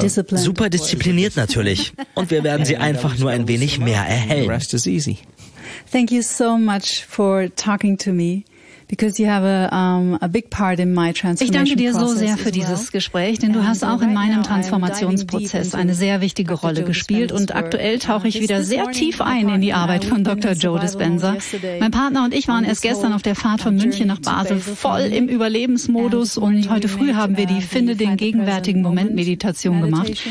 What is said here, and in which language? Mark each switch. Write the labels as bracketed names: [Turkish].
[German] Super diszipliniert natürlich. Und wir werden sie einfach nur ein wenig mehr erhellen. [English] Thank you so much for talking to me, because you have a big part in my transformation. [German] Ich danke dir so sehr für dieses Gespräch, denn du hast auch in meinem Transformationsprozess eine sehr wichtige Rolle gespielt. Und aktuell tauche ich wieder sehr tief ein in die Arbeit von Dr. Joe Dispenza. Mein Partner und ich waren erst gestern auf der Fahrt von München nach Basel voll im Überlebensmodus. Und heute früh haben wir die Finde den gegenwärtigen Moment Meditation gemacht.